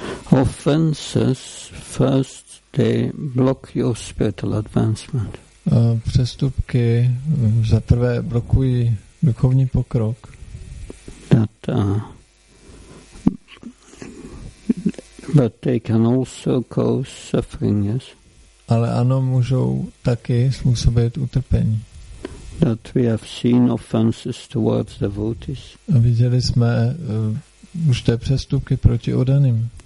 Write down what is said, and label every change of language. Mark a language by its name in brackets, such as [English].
[English] Offenses first they block your spiritual advancement. [Czech] Přestupky za prvé blokují duchovní pokrok. [English] But they can also cause suffering, yes. [Czech] Ale ano, můžou taky způsobit utrpení. [English] That we have seen offenses towards devotees. [Czech] A viděli jsme už té přestupky proti odaným.